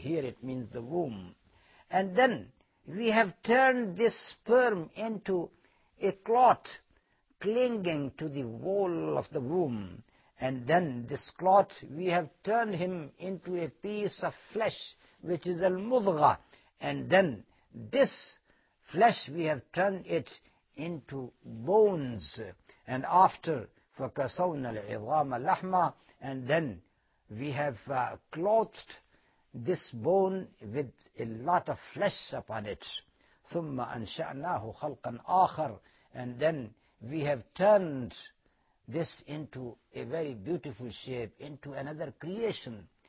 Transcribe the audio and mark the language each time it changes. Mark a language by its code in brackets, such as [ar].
[en] Here it means the womb. And then we have turned this sperm into a clot clinging to the wall of the womb. And then this clot, we have turned him into a piece of flesh, which is al-mudgha. And then this flesh, we have turned it into bones. And after, [ar] فَكَسَوْنَا الْعِظَامَ لَحْمًا. [en] And then we have clothed this bone with a lot of flesh upon it. [ar] ثُمَّ أَنْشَأْنَاهُ خَلْقًا آخَرٍ. [en] And then we have turned this into a very beautiful shape, into another creation.